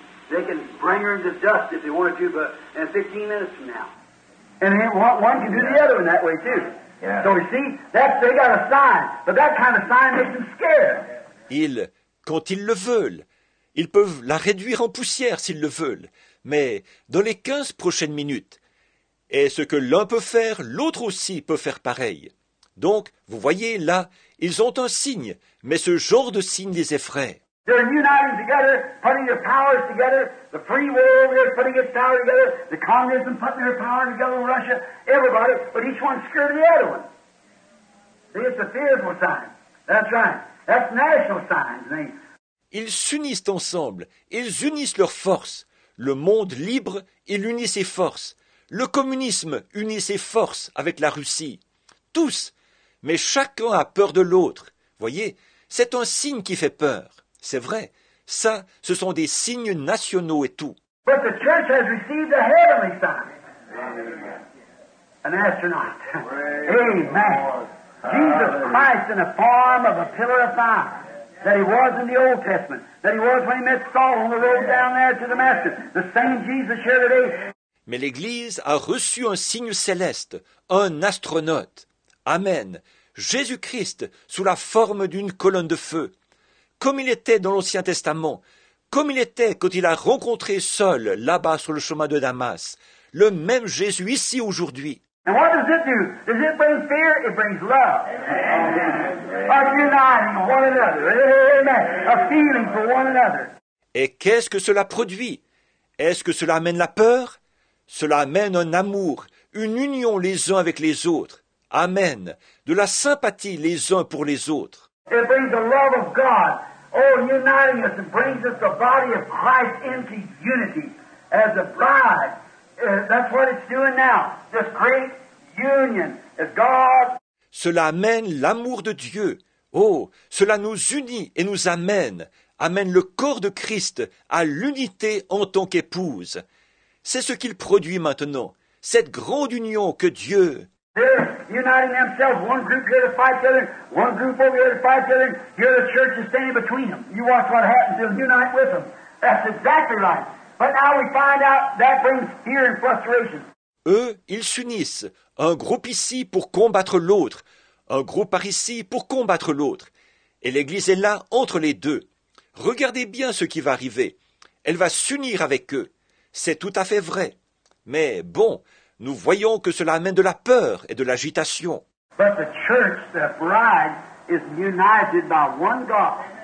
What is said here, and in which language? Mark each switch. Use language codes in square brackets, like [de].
[en] They can bring her into dust if they wanted to, but in 15 minutes from now. And then one can do the other one that way, too. Yeah. So you see, they got a sign. But that kind of sign makes them scared. [fr] Ils, quand ils le veulent, ils peuvent la réduire en poussière s'ils le veulent. Mais dans les 15 prochaines minutes, et ce que l'un peut faire, l'autre aussi peut faire pareil. Donc, vous voyez, là, ils ont un signe, mais ce genre de signe les effraie. [en] They're uniting together, putting their powers together, the free world over there putting its power together, the communism putting their power together in Russia, everybody, but each one's scared of the other one. See, it's a fearful sign. That's right. That's national signs, man. [fr] Ils s'unissent ensemble. Ils unissent leurs forces. Le monde libre, il unit ses forces. Le communisme unit ses forces avec la Russie. Tous. Mais chacun a peur de l'autre. Voyez, c'est un signe qui fait peur. C'est vrai. Ça, ce sont des signes nationaux et tout. [en] But the church has received a heavenly sign. Amen. An astronaut. Praise Amen. Jesus Christ in the form of a pillar of fire. That he was in the Old Testament. That he was when he met Saul on the road down there to Damascus. The same Jesus here today. [fr] Mais l'Église a reçu un signe céleste, un astronaute. Amen. Jésus-Christ sous la forme d'une colonne de feu. Comme il était dans l'Ancien Testament, comme il était quand il a rencontré Saul là-bas sur le chemin de Damas, le même Jésus ici aujourd'hui. [en] And what does it do? Does it bring fear? It brings love. Amen. Of uniting one another. Amen. A feeling for one another. [fr] Et qu'est-ce que cela produit? Est-ce que cela amène la peur? Cela amène un amour, une union les uns avec les autres. Amen. De la sympathie les uns pour les autres. [en] It brings the love of God, oh, uniting us and brings us the body of Christ into unity as a bride. That's what it's doing now. This great union as God. [fr] Cela amène l'amour de Dieu. Oh, cela nous unit et nous amène le corps de Christ à l'unité en tant qu'épouse. C'est ce qu'il produit maintenant, cette grande union que Dieu... [en] They're uniting themselves, one group here to fight the other, one group over here to fight the other. Here the church is standing between them. You watch what happens, they'll unite with them. That's exactly right. But now we find out that brings fear and frustration. [fr] Eux, ils s'unissent. Un groupe ici pour combattre l'autre. Un groupe par ici pour combattre l'autre. Et l'Église est là entre les deux. Regardez bien ce qui va arriver. Elle va s'unir avec eux. C'est tout à fait vrai. Mais bon, nous voyons que cela amène de la peur et de l'agitation. [en] But the church, the bride, is united by one God.